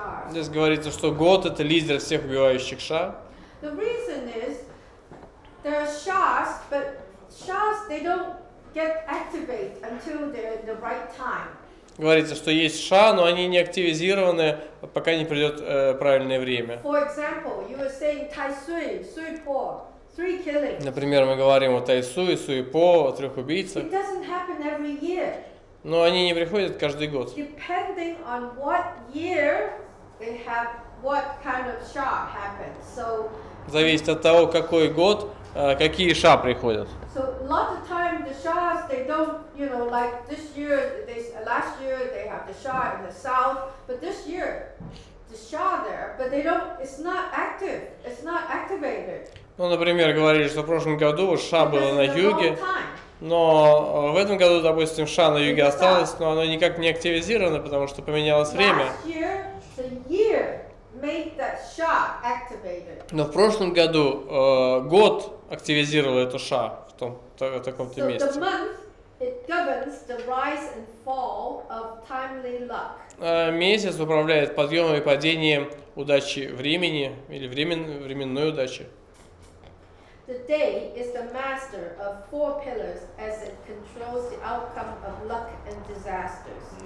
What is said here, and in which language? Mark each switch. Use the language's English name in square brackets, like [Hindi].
[Russian] Здесь говорится, что год — это лидер всех убивающих ша. [English] The reason is there are shas, but shas they don't get activated until they're in the right time. [Russian] Говорится, что есть ша, но они не активизированы, пока не придет правильное время. [English] For example, you were saying tai sui, sui po, three killings. [Russian] Например, мы говорим о тай суй, суй по, о трех убийцах. [English] It doesn't happen every year. [Russian] Но они не приходят каждый год. [English] Depending on what year they have, what kind of sha happens. So, [Russian] зависит от того, какой год, какие ша приходят. [English] So a lot of time the shas they don't, you know, like this year, last year they have the sha in the south, but this year the sha there, but they don't, it's not active, it's not activated. [Russian] Ну, например, говорили, что в прошлом году ша было на юге, но в этом году, допустим, ша на юге осталось, но оно никак не активизировано, потому что поменялось время. [English] Last year, the year made that sha activated. [Russian] Но в прошлом году год активизировал эту ша. В таком-то месте. [English] The month, it governs the rise and fall of timely luck. [Russian] Месяц управляет подъемом и падением удачи времени или временной удачи. [English] The day is the master of four pillars as it controls the outcome of luck and disasters.